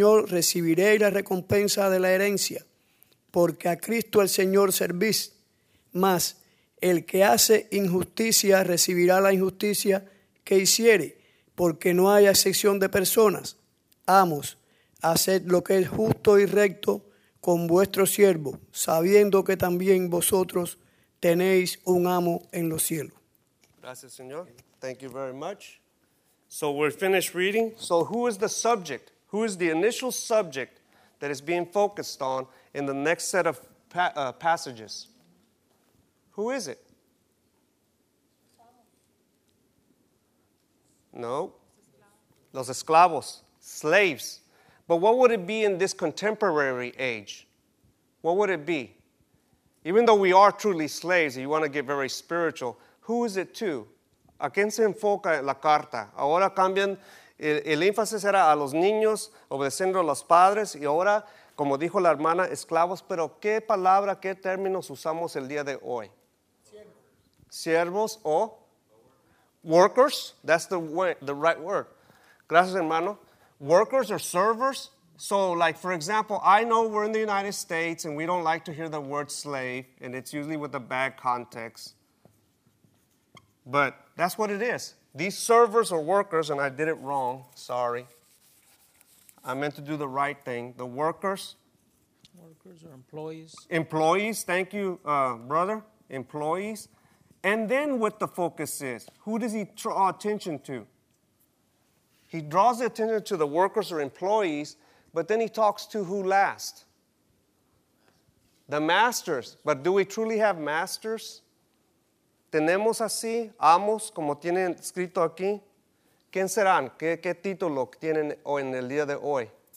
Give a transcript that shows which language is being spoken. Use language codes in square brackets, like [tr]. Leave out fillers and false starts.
[es] recibiréis la recompensa de la herencia, porque a Cristo el Señor servís, mas el que hace injusticia recibirá la injusticia que hiciere, porque no hay excepción de personas. Amos, haced lo que es justo y recto con vuestro siervo, sabiendo que también vosotros tenéis un amo en los cielos. Gracias, Señor. [en] Thank you very much. So we're finished reading. So who is the subject? Who is the initial subject that is being focused on in the next set of passages? Who is it? [es] No. Los esclavos. [en] Slaves. But what would it be in this contemporary age? What would it be? Even though we are truly slaves, you want to get very spiritual, who is it to? [es] ¿A quién se enfoca la carta? Ahora cambian, el énfasis era a los niños, obedeciendo a los padres, y ahora, como dijo la hermana, esclavos, pero ¿qué palabra, qué términos usamos el día de hoy? Siervos. ¿Siervos o? [en] Workers. That's the right word. [es] Gracias, hermano. [en] Workers or servers. So, like, for example, I know we're in the United States and we don't like to hear the word slave, and it's usually with a bad context. But that's what it is. These servers or workers, and I did it wrong, sorry. I meant to do the right thing. The workers. Workers or employees. Employees, thank you, brother. Employees. And then what the focus is, who does he draw attention to? He draws the attention to the workers or employees, but then he talks to who last? The masters. But do we truly have masters? [es] ¿Tenemos así amos como tienen escrito aquí? ¿Quién serán? ¿Qué título tienen hoy en el día de hoy?